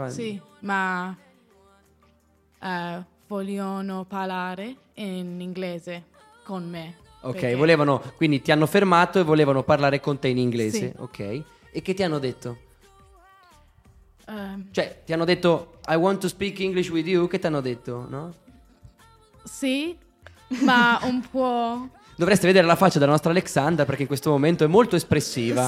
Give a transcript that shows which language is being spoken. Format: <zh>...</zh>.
<it>sì, ma vogliono parlare in inglese con me. Ok, perché... volevano, quindi ti hanno fermato e volevano parlare con te in inglese. Sì. Ok. E che ti hanno detto? Cioè, ti hanno detto</it> <en>I want to speak English with you?</en> <it>Che ti hanno detto, no? Sì, ma un po'... Dovreste vedere la faccia della nostra Alexandra, perché in questo momento è molto espressiva.</it>